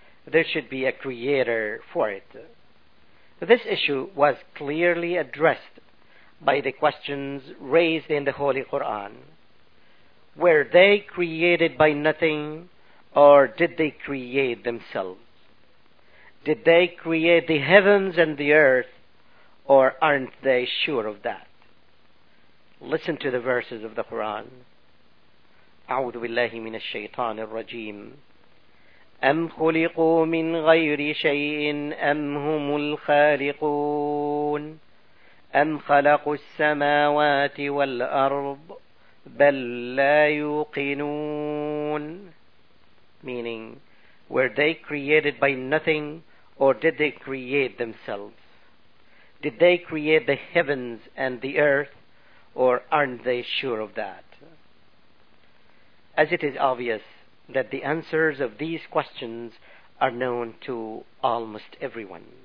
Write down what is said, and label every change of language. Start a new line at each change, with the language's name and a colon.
English: There should be a creator for it. This issue was clearly addressed by the questions raised in the Holy Quran. Were they created by nothing, or did they create themselves? Did they create the heavens and the earth, or aren't they sure of that? Listen to the verses of the Quran.
Arabic: أعوذ بالله من الشيطان الرجيم أم خلقوا من غير شيء أم هم الخالقون أم خلقوا السماوات والأرض بَلْ لَا يُوقِنُونَ
English: Meaning, were they created by nothing, or did they create themselves? Did they create the heavens and the earth, or aren't they sure of that? As it is obvious that the answers of these questions are known to almost everyone.